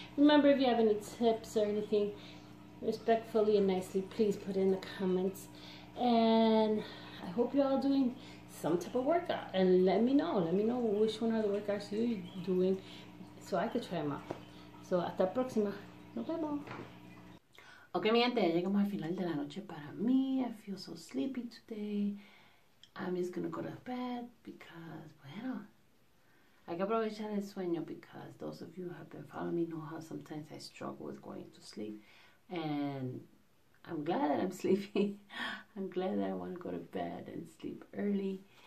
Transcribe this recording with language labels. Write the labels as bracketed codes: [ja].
[en] Remember, if you have any tips or anything, respectfully and nicely, please put it in the comments. And I hope you're all doing some type of workout. And let me know. Let me know which one of the workouts you're doing so I could try them out. [es] So, hasta la próxima. Nos vemos. Okay, mi gente, ya llegamos al final de la noche para mí. [en] I feel so sleepy today. I'm just going to go to bed because, [es] bueno, hay que aprovechar el sueño, [en] because those of you who have been following me know how sometimes I struggle with going to sleep. And I'm glad that I'm sleepy. I'm glad that I want to go to bed and sleep early.